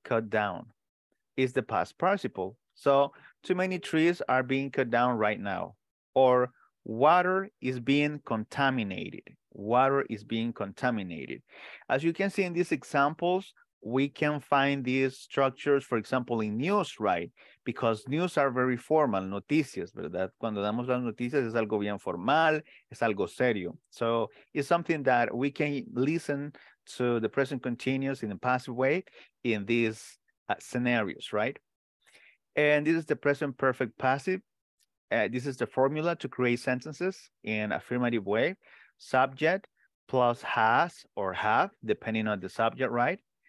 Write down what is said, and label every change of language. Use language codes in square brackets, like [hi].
[en] Cut down is the past participle. So too many trees are being cut down right now. Or water is being contaminated. Water is being contaminated. As you can see in these examples, we can find these structures, for example, in news, right? Because news are very formal, noticias, ¿verdad? [es] Cuando damos las noticias, es algo bien formal, es algo serio. [en] So it's something that we can listen to the present continuous in a passive way in these scenarios, right? And this is the present perfect passive. This is the formula to create sentences in affirmative way. Subject plus has or have, depending on the subject, right?